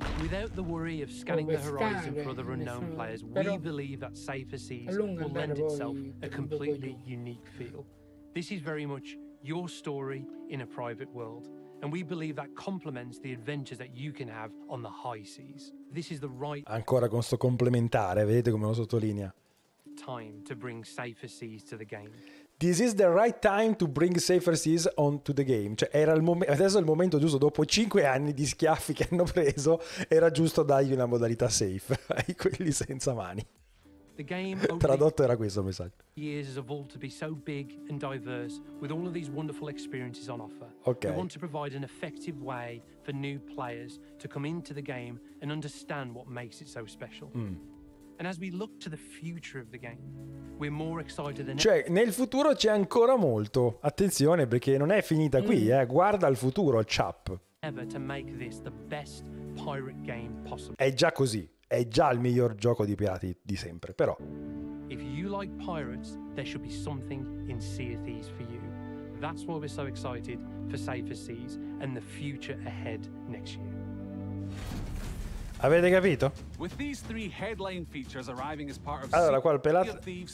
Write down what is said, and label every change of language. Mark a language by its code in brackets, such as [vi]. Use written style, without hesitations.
[en] Without the worry of scanning the horizon for other unknown players, we believe that Safer Seas will lend itself a completely unique feel. This is very much your story in a private world. And we believe that complements the adventures that you can have on the high seas. This is the right. [it] Ancora con sto complementare, vedete come lo sottolinea. [en] Time to bring Safer Seas to the game. This is the right time to bring Safer Seas on to the game. [it] Cioè era il momento, adesso è il momento giusto, dopo 5 anni di schiaffi che hanno preso, era giusto dargli una modalità safe ai quelli senza mani. [en] The game [it] tradotto era questo messaggio. [en] Years has evolved to be so big and diverse with all of these wonderful experiences on offer. Okay. We want to provide an effective way for new players to come into the game and understand what makes it so special. And as we look to the future of the game, we're more excited than ever. [it] Cioè, nel futuro c'è ancora molto. Attenzione, perché non è finita qui, eh. Guarda il futuro, il chap. [en] Ever to make this the best pirate game possible. [it] È già così, è già il miglior gioco di pirati di sempre, però. [en] If you like pirates, there should be something in Sea of Thieves for you. That's why we're so excited for Safer Seas and the future ahead next year. [it] Avete capito? [en] With these three headline features arriving as part of Sea of Thieves